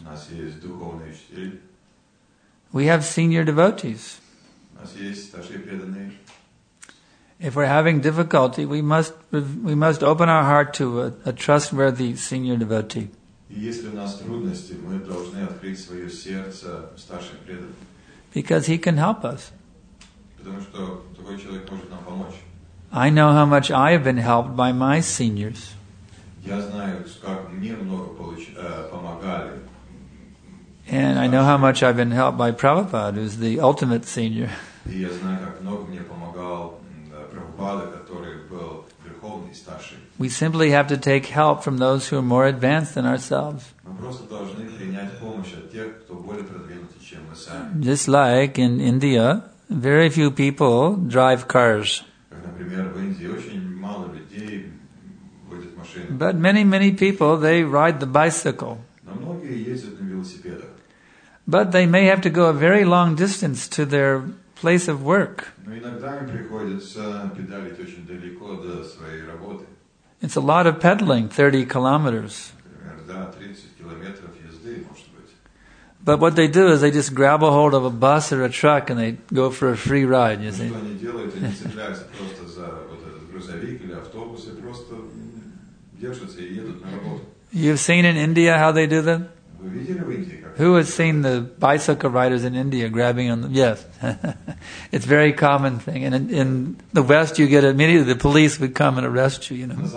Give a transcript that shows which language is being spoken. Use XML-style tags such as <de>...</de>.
<ru>У нас есть духовные учителя.</ru> <en>We have senior devotees.</en> <ru>У нас есть старшие преданные.</ru> <en>If we're having difficulty, we must open our heart to a trustworthy senior devotee.</en> <ru>И если у нас трудности, мы должны открыть свое сердце старшим преданным.</ru> <en>Because he can help us.</en> <ru>Потому что такой человек может нам помочь.</ru> <en>I know how much I have been helped by my seniors.</en> <ru>Я знаю, как мне много помогали.</ru> <en>And I know how much I've been helped by Prabhupada, who's the ultimate senior.</en> <ru>И я знаю, как много мне помогал Прабхупада, который был верховный старший.</ru> <en>We simply have to take help from those who are more advanced than ourselves.</en> <ru>Мы просто должны принять помощь. человек, кто более продвинутый, чем мы сами.</ru> <en>Just like in India, very few people drive cars.</en> <ru>Как, например, в Индии очень мало людей водят машины.</ru> <en>But many, many people, they ride the bicycle.</en> <ru>Но многие ездят на велосипедах.</ru> <en>But they may have to go a very long distance to their place of work.</en> <ru>Но иногда им приходится педалить очень далеко до своей работы.</ru> <en>It's a lot of pedaling, 30 kilometers.</en> <ru>Например, да, 30 километров езды, может быть.</ru> <en>But what they do is they just grab a hold of a bus or a truck and they go for a free ride, you see.</en> <ru>Что они делают? Они цепляются просто за вот этот грузовик или автобус и просто держатся и едут на работу.</ru> <en>You've seen in India how they do that?</en> <ru>Вы видели в Индии, как?</ru> <en>Who has seen the bicycle riders in India grabbing on the... Yes, it's a very common thing. And in the West, you get immediately the police would come and arrest you, you know.</en>